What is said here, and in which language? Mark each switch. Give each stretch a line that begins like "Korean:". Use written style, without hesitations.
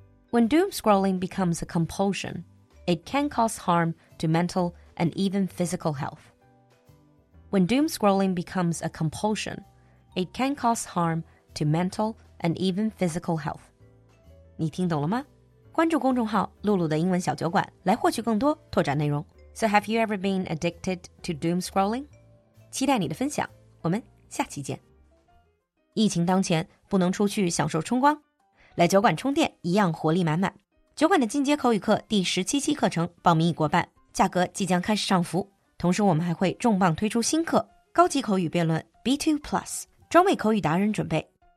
English: When doom-scrolling becomes a compulsion, it can cause harm to mental and even physical health. When doom-scrolling becomes a compulsion, it can cause harm to mental and even physical health.
Chinese: 你听懂了吗？关注公众号露露的英文小酒馆来获取更多拓展内容。
English: So have you ever been addicted to doom scrolling?
Chinese: 期待你的分享，我们下期见。疫情当前，不能出去享受春光，来酒馆充电一样活力满满。酒馆的进阶口语课第17期课程报名已过半，价格即将开始上浮。同时我们还会重磅推出新课，高级口语辩论 B2 Plus, 专为口语达人准备。